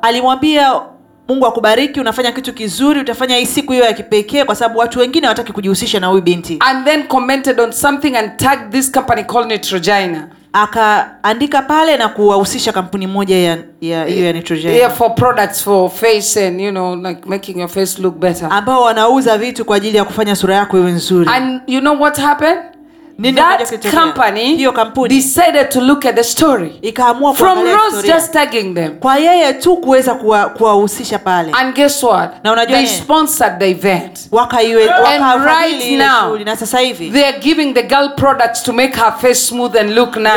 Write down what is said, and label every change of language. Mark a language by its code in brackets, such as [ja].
[sw] Alimwambia, Mungu akubariki, unafanya kitu kizuri, utafanya hii siku hiyo ya kipekee kwa sababu watu wengine hawataki kujihusisha na huyu binti. [en] And then commented on something and tagged this company called Trizah. [sw] Akaandika pale na kuwahusisha kampuni moja ya hiyo ya Trizah. [en] Yeah, for products for face and, you know, like making your face look better. [sw] Ambao wanauza vitu kwa ajili ya kufanya sura yako iwe nzuri. [en] And you know what happened? That company decided to look at the story from Rose just tagging them. [sw] Kwa yeye tu kuweza kuwahusisha pale. [en] And guess what? They sponsored the event. And right now, they are giving the girl products to make her face smooth and look nice.